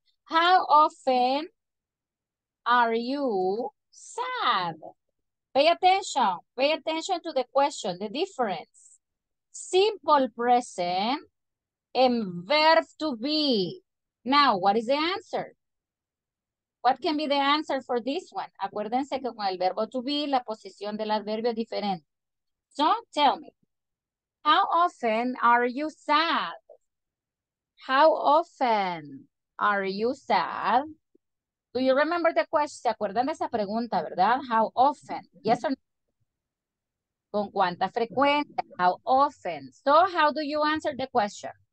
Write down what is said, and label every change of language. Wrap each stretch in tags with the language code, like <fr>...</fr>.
<en>How often are you sad? Pay attention to the question, the difference. Simple present and verb to be. Now, what is the answer? What can be the answer for this one?</en> <es>Acuérdense que con el verbo to be, la posición del adverbio es diferente.</es> <en>So, tell me, how often are you sad? How often are you sad? Do you remember the question?</en> <es>¿Se acuerdan de esa pregunta, verdad?</es> <en>How often? Yes or no?</en> <es>¿Con cuánta frecuencia?</es> <en>How often? So, how do you answer the question?</en>